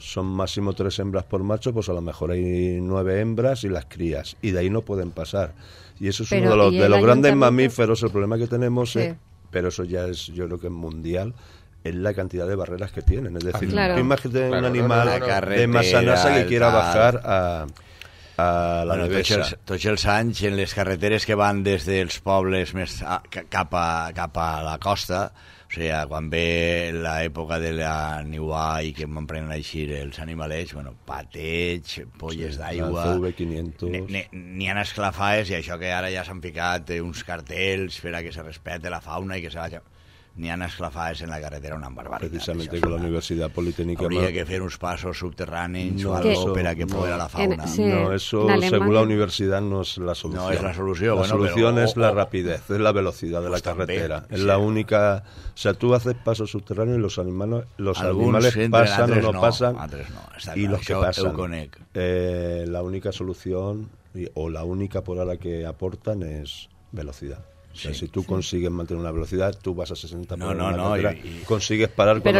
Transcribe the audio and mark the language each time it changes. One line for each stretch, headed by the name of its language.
Spanish: Son máximo tres hembras por macho, pues a lo mejor hay nueve hembras y las crías, y de ahí no pueden pasar. Y eso es uno de los grandes mamíferos, el problema que tenemos, pero eso ya es, yo creo que es mundial, es la cantidad de barreras que tienen. Es decir, tú imagínate un animal de Massanassa que quiera bajar a la Devesa.
Catalan: Tots els anys, en les carreteres que van des dels pobles més cap a la costa, o sea, quan ve l'època de la niuà i que m'emprenen a eixir els animalets, bueno, pateig, polles d'aigua... N'hi han esclafades, i això que ara ja s'han ficat uns cartells per a que se respete la fauna i que se vagi... N'hi han esclafades en la carretera, una barbaritat. Precisament que la Universitat Politécnica... Hauria que fer uns passos subterranis per a que poguera la fauna. Segons la universitat, no és la solució. No és la solució. La solució és la rapidez, és la velocitat de la carretera. També, és la única...
Spanish: O sea, tú haces pasos subterráneos y los animales pasan o no pasan.
Catalan: Altres no.
Spanish: Y los que pasan. La única solución o la única por ahora que aportan es velocidad. Sí, o sea, si tú consigues mantener una velocidad, tú vas a 60 por hora. Consigues parar cuando...